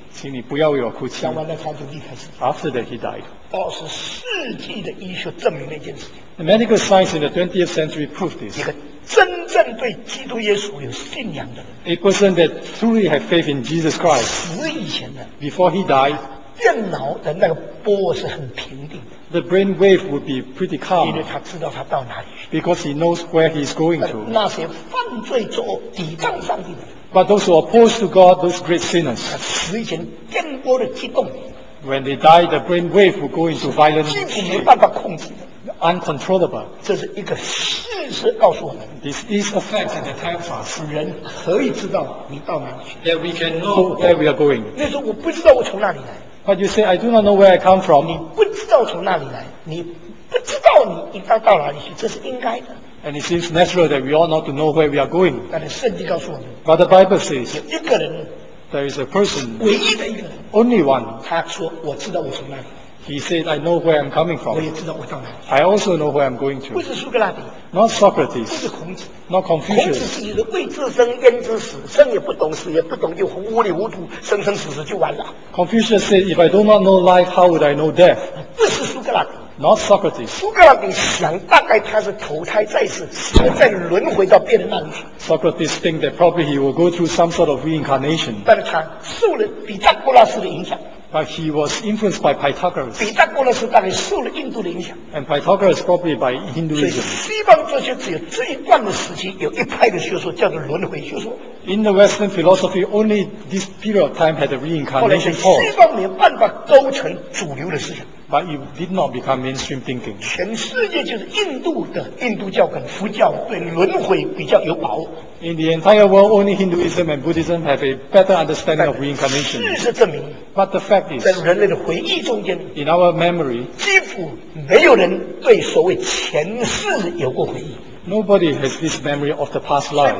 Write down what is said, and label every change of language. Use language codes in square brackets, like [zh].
[zh] 请你不要为我哭泣。讲完了他就离开世 [en] 界。After that he died. [zh] 二十世纪的医学证明了一件事情。 [en] The medical science in the 20th century proved this. [zh] 一个真正对基督耶稣有信仰的人。 [en] A person that truly had faith in Jesus Christ. [zh] 死以前呢。 [en] Before he died. [zh] 电脑的那个波是很平定的。 [en] The brain wave would be pretty calm. [zh] 因为他知道他到哪里。 [en] Because he knows where he's going to. [zh] 那些犯罪者抵挡上帝的。 [en] But those who oppose to God, those great sinners. [zh] 死以前电波的激动。 [en] When they die, the brain wave will go into violence. [zh] 几乎没办法控制的。 [en] Uncontrollable. [zh] 这是一个事实告诉我们。 [en] This is a fact that tells us. [zh] 人可以知道你到哪里去。 [en] That we can know where we are going. [zh] 那时候我不知道我从哪里来。 [en] But you say, I do not know where I come from. [zh] 你不知道从哪里来，你不知道你应该到哪里去，这是应该的。 [en] And it seems natural that we ought not to know where we are going. [zh] 但是圣经告诉我们。 [en] But the Bible says. [zh] 有一个人。 [en] There is a person. [zh] 唯一的一个人。 [en] Only one. [zh] 他说，我知道我从哪里。 [en] He said, I know where I'm coming from. [zh] 我也知道我到哪里。 [en] I also know where I'm going to. [zh] 不是苏格拉底。 [en] Not Socrates. [zh] 不是孔子。 [en] Not Confucius. [zh] 孔子是为自生焉知死，生也不懂死也不懂又糊里糊涂生生死死就完了。 [en] Confucius said, if I do not know life, how would I know death? [zh] 不是苏格拉底。 [en] Not Socrates. [zh] 苏格拉底想大概他是投胎在世，再轮回到别人那里去。 [en] Socrates think that probably he will go through some sort of reincarnation. [zh] 但是他受了毕达哥拉斯的影响。 [en] But he was influenced by Pythagoras. [zh] 毕达哥拉斯大概受了印度的影响。 [en] And Pythagoras probably by Hinduism. [zh] 所以西方哲学只有这一段的时期，有一派的学说叫做轮回学说。 [en] In the Western philosophy, only this period of time had a reincarnation. [zh] 后来西方没办法构成主流的思想。 [en] But it did not become mainstream thinking. [zh] 全世界就是印度的印度教跟佛教对轮回比较有把握。 [en] In the entire world, only Hinduism and Buddhism have a better understanding of reincarnation. [zh] 事实证明。 [en] But the fact is, [zh] 在人类的回忆中间 [en] ，In our memory, [zh] 几乎没有人对所谓前世有过回忆。 [en] Nobody has this memory of the past life.